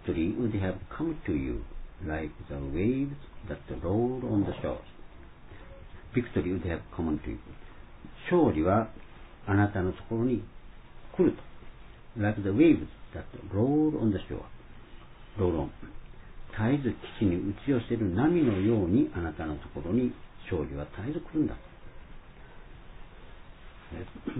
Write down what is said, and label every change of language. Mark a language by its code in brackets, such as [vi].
[en] Victory would have come to you like the waves that roll on the shores. Victory would have come to you. [ja] 勝利はあなたのところに来ると。 [en] Like the waves that roll on the shore. Roll on. [ja] 絶えず岸に打ち寄せる波のようにあなたのところに勝利は絶えず来るんだと。